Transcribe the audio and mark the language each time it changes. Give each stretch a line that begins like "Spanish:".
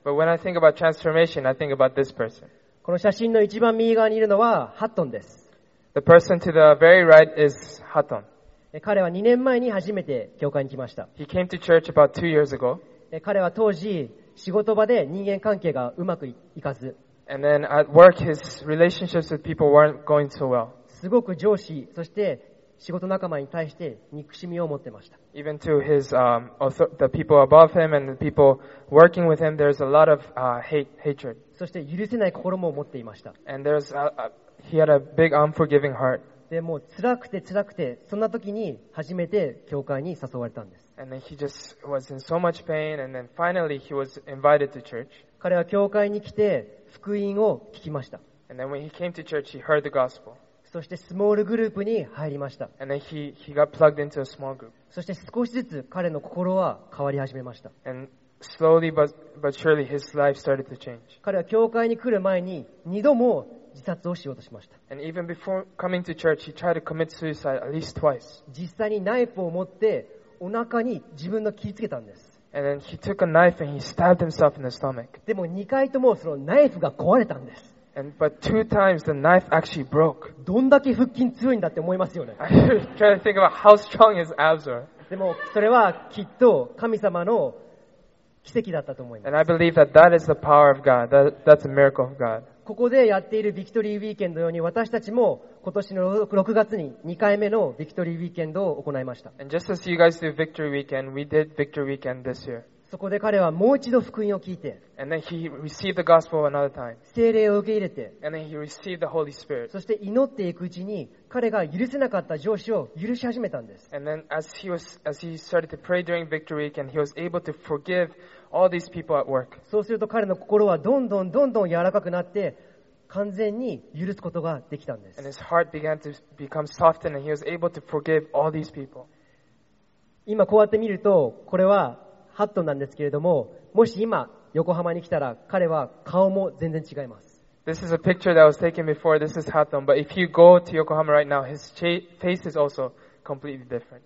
English: But when I think about transformation, I think about this person.
Japanese: この写真の一番右側にいるのはハットンです。
English: The person to the very right is Hatton.
Japanese: 彼は2年前に初めて教会に来ました。
English: He came to church about two years ago.
Japanese: 彼は当時仕事場で人間関係がうまくいかず。
English: And then at work, his relationships with people weren't going so well.
Japanese: すごく上司、そして仕事仲間に対して憎しみを持ってました。
English: Even to his, the people above him and the people working with him, there's a lot of, hatred.
Japanese: そして許せない心も持っていました。
English: And there's he had a big unforgiving heart.
Japanese: でも辛くて辛くて、そんな時に初めて教会に誘われたんです。
English: And then he just was in so much pain, and then finally he was invited to church.
Japanese: 彼は教会に来て福音を聞きました。
English: And then when he came to church, he heard the gospel.
Japanese: そしてスモールグループに入りました。
English: And then he got plugged into a small group.
Japanese: そして少しずつ彼の心は変わり始めました。
English: And slowly but surely his life started to change.
Japanese: 彼は教会に来る前に2度も自殺をしようとしました。
English: And even before coming to church, he tried to commit suicide at least twice.
Japanese: 実際にナイフを持ってお腹に自分の切りつけたんです。
English: And then he took a knife and he stabbed himself in the stomach.
Japanese: でも2回ともそのナイフが壊れたんです。
English: And, but two times the knife actually broke.
Japanese: どんだけ腹筋強いんだって思いますよね。
English: I'm trying to think about how strong his abs are.
Japanese: でもそれはきっと神様の奇跡だったと思います。
English: And I believe that that is the power of God. That's a miracle of God.
Japanese: ここでやっているビクトリーウィーケンドのように私たちも今年の6月に2回目のビクトリーウィーケンドを行いました。
English: And just as you guys do Victory Weekend, we did Victory Weekend this year.
Japanese: そこで彼はもう一度福音を聞いて、
English: And then he received the gospel another time.
Japanese: 聖霊を受け入れて、
English: And then he received the Holy Spirit.
Japanese: そして祈っていくうちに彼が許せなかった上司を許し始めたんです。
English: And then as he started to pray during Victory Weekend, he was able to forgive all these people at work.
Japanese: そうすると彼の心はどんどんどんどん柔らかくなって完全に許すことができたんです。
English: And his heart began to become softened and he was able to forgive all these people.
Japanese: 今こうやって見るとこれはハットなんですけれども、もし今横浜に来たら彼は顔も全然違います。
English: This is a picture that was taken before. This is Hatton, but if you go to Yokohama right now, his face is also completely different.